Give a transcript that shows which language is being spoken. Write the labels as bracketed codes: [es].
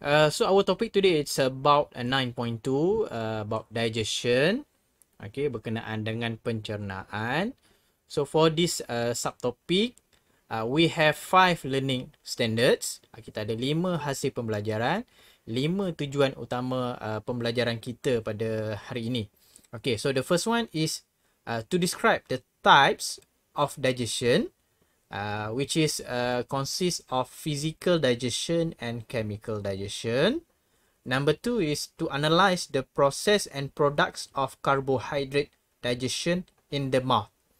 [en] So our topic today is about 9.2 about digestion. Okay, [ms] berkenaan dengan pencernaan. [en] So for this subtopic, we have 5 learning standards. [ms] Kita ada 5 hasil pembelajaran, 5 tujuan utama pembelajaran kita pada hari ini. [en] Okay, so the first one is to describe the types of digestion, which is consists of physical digestion and chemical digestion. Number 2 is to analyze the process and products of carbohydrate digestion in the mouth.